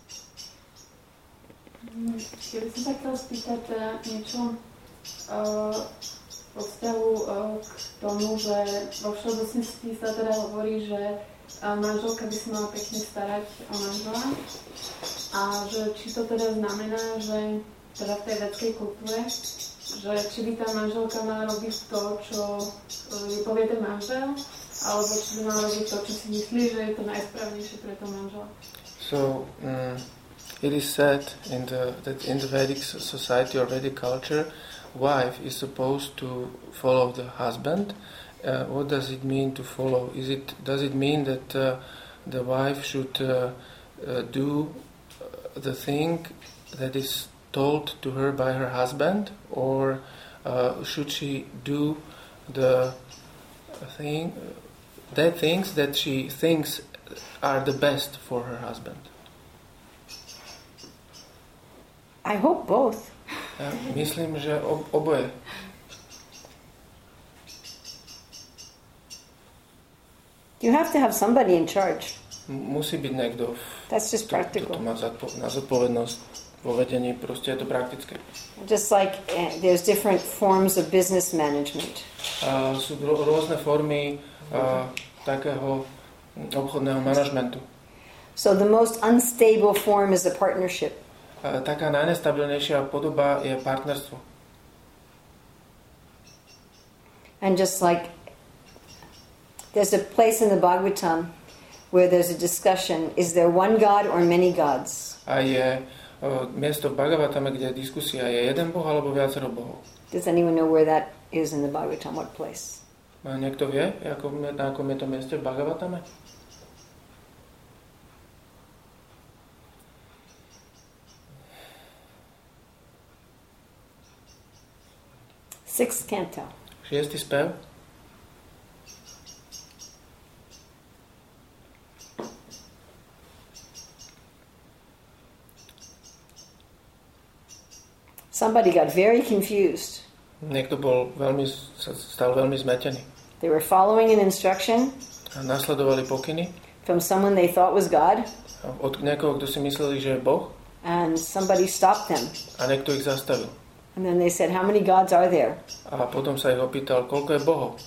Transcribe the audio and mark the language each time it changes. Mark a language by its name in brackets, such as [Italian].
[Slovak] Ja by som sa chcel spýtať niečo vo vzťahu k tomu, že vo všeobecnosti sa teda hovorí, že manželka by si mala pekne starať o manžela. A že či to teda znamená, že teda v tej vedskej kultúre, že či by tá manželka mala robiť to, čo jej povie ten manžel, alebo či by mala robiť to, čo si myslí, že je to najsprávnejšie pre to manžela. [English] It is said in the Vedic society or Vedic culture, wife is supposed to follow the husband. What does it mean to follow? Does it mean that the wife should do the thing that is told to her by her husband, or should she do the things that she thinks are the best for her husband? I hope both. [Slovak] Ja myslím, že oboje. [English] You have to have somebody in charge. [Slovak] Musí byť niekto. [English] That's just practical. [Slovak] To má na zodpovednosť vo vedení, proste je to praktické. [English] Just like there's different forms of business management. [Slovak] Sú rôzne formy takého obchodného manažmentu. [English] So the most unstable form is a partnership. [Slovak] Taká najnestabilnejšia podoba je partnerstvo. [English] And just like there's a place in the Bhagavatam where there's a discussion, is there one god or many gods? [Slovak] A je miesto v Bhagavatame, kde je diskusia, je jeden boh alebo viacero bohov? [English] Does anyone know where that is in the Bhagavatam, what place? [Slovak] A niekto vie, na akom je to mieste v Bhagavatame? [English] Sixth canto. [Slovak] Šiestý spev. [English] Somebody got very confused. [Slovak] Niekto bol veľmi, stal veľmi zmetený. [English] They were following an instruction. [Slovak] A nasledovali pokyny. [English] From someone they thought was God. [Slovak] Od niekoho, kto si mysleli, že je Boh. [English] And somebody stopped them. [Slovak] A niekto ich zastavil. [English] And then they said, how many gods are there? [Slovak] A potom sa ich opýtal, koľko je bohov?